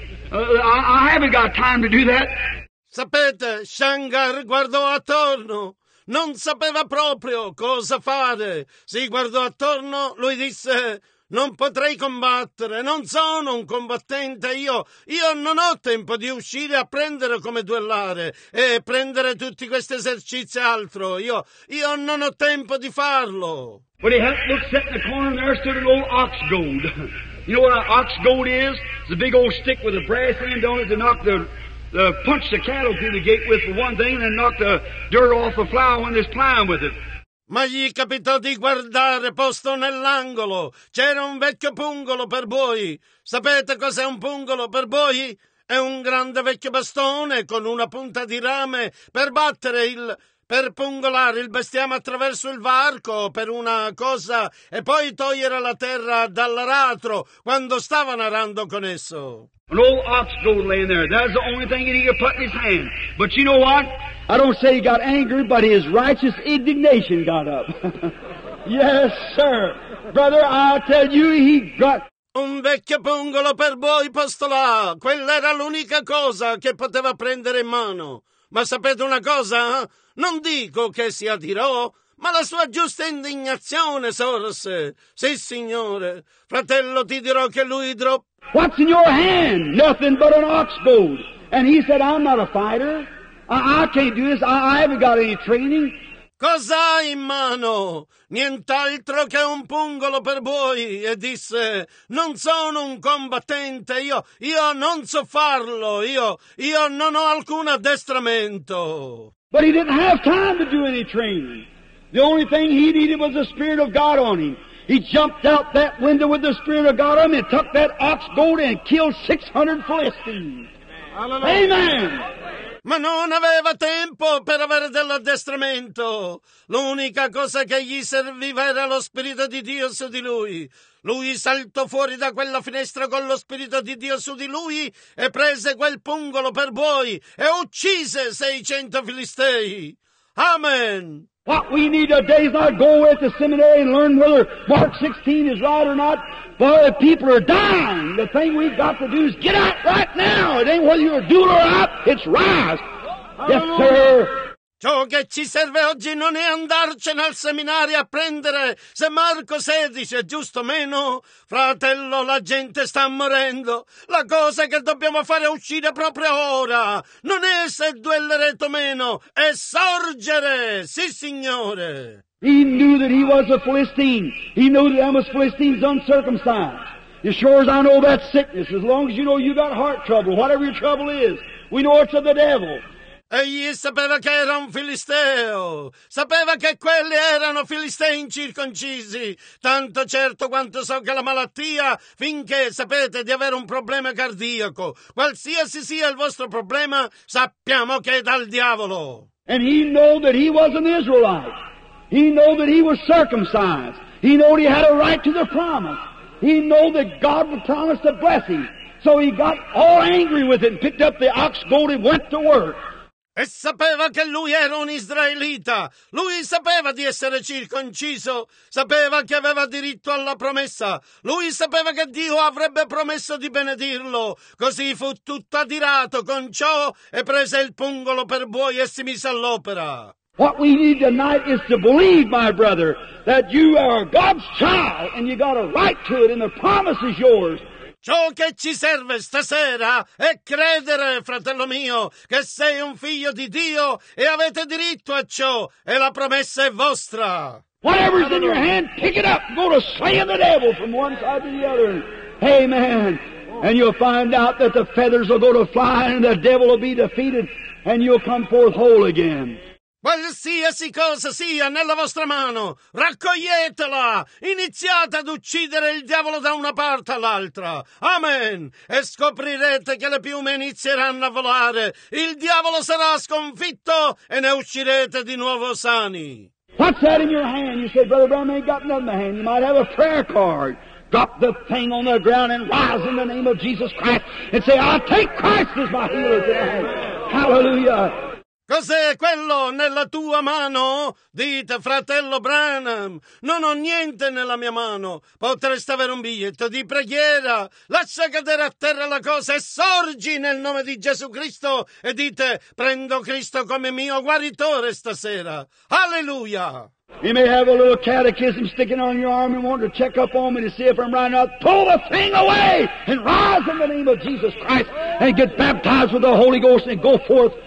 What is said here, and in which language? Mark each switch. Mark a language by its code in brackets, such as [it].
[en] I haven't got time to do that. [it] Sapete, Shamgar guardò attorno. Non sapeva proprio cosa fare. Si guardò attorno, lui disse, non potrei combattere, non sono un combattente io non ho tempo di uscire a prendere come duellare e prendere tutti questi esercizi e altro, io non ho tempo di farlo. [en] But he had looked set in the corner and there stood an old ox goad. You know what an ox goad is? It's a big old stick with a brass end on it to knock the punch the cattle through the gate with for one thing and then knock the dirt off the flour when they're plowing with it. [it] Ma gli capitò di guardare posto nell'angolo. C'era un vecchio pungolo per buoi. Sapete cos'è un pungolo per buoi? È un grande vecchio bastone con una punta di rame per pungolare il bestiame attraverso il varco per una cosa e poi togliere la terra dall'aratro quando stavano arando con esso. [en] An old ox goad laying there. That's the only thing that he could put in his hand. But you know what? I don't say he got angry, but his righteous indignation got up. Yes, sir. Brother, I tell you, he got... [it] Un vecchio pungolo per voi, posto là. Quella era l'unica cosa che poteva prendere in mano. Ma sapete una cosa? Non dico che sia dirò. Ma la sua giusta indignazione sorse. Sì, signore. Fratello, ti dirò che lui droppò. [en] What's in your hand? Nothing but an ox goad. And he said, I'm not a fighter. I can't do this. I haven't got any training. [it] Cosa hai in mano? Nient'altro che un pungolo per buoi. E disse, non sono un combattente. Io non so farlo. Io non ho alcun addestramento. [en] But he didn't have time to do any training. The only thing he needed was the Spirit of God on him. He jumped out that window with the Spirit of God on him and took that ox goad and killed 600 Philistines. Amen. Amen! [it] Ma non aveva tempo per avere dell'addestramento. L'unica cosa che gli serviva era lo Spirito di Dio su di lui. Lui saltò fuori da quella finestra con lo Spirito di Dio su di lui e prese quel pungolo per buoi e uccise 600 Filistei. Amen! [en] What we need today is not go away to seminary and learn whether Mark 16 is right or not. But if people are dying, the thing we've got to do is get out right now. It ain't whether you're a doer or not, it's rise. Yes, sir. [it] Ciò che ci serve oggi non è andarcene al seminario a prendere se Marco 16 è giusto o meno. Fratello, la gente sta morendo. La cosa che dobbiamo fare è uscire proprio ora. Non è se duellerete o meno, è sorgere. Sì, signore. [en] He knew that he was a Philistine. He knew that I was Philistine's uncircumcised. As sure as I know that sickness, as long as you know you got heart trouble, whatever your trouble is, we know it's of the devil. [it] Egli sapeva che era un filisteo, sapeva che quelli erano filistei incirconcisi, tanto certo quanto so che la malattia, finché sapete di avere un problema cardiaco, qualsiasi sia il vostro problema, sappiamo che è dal diavolo. [en] And he knew that he was an Israelite, he knew that he was circumcised, he knew he had a right to the promise, he knew that God would promise to bless him, so he got all angry with it and picked up the ox goad and went to work. [it] E sapeva che lui era un israelita. Lui sapeva di essere circonciso. Sapeva che aveva diritto alla promessa. Lui sapeva che Dio avrebbe promesso di benedirlo. Così fu tutto adirato con ciò e prese il pungolo per buoi e si mise all'opera. [en] What we need tonight is to believe, my brother, that you are God's child and you got a right to it and the promise is yours. [it] Ciò che ci serve stasera è credere, fratello mio, che sei un figlio di Dio e avete diritto a ciò, e la promessa è vostra. [en] Whatever's in your hand, pick it up and go to slaying the devil from one side to the other. Amen. And you'll find out that the feathers will go to fly and the devil will be defeated and you'll come forth whole again. [it] Qualsiasi sì, cosa sia nella vostra mano, raccoglietela! Iniziate ad uccidere il diavolo da una parte all'altra! Amen! E scoprirete che le piume inizieranno a volare, il diavolo sarà sconfitto e ne uscirete di nuovo sani! [en] What's that in your hand? You say, Brother Bram ain't got nothing in the hand. You might have a prayer card. Drop the thing on the ground and rise in the name of Jesus Christ and say, I take Christ as my healer today. Hallelujah! [it] Cos'è quello nella tua mano? Dite, fratello Branham, non ho niente nella mia mano. Potresti avere un biglietto di preghiera. Lascia cadere a terra la cosa e sorgi nel nome di Gesù Cristo e dite, prendo Cristo come mio guaritore stasera. Alleluia! [en] You may have a little catechism sticking on your arm and want to check up on me to see if I'm right now. Pull the thing away and rise in the name of Jesus Christ and get baptized with the Holy Ghost and go forth.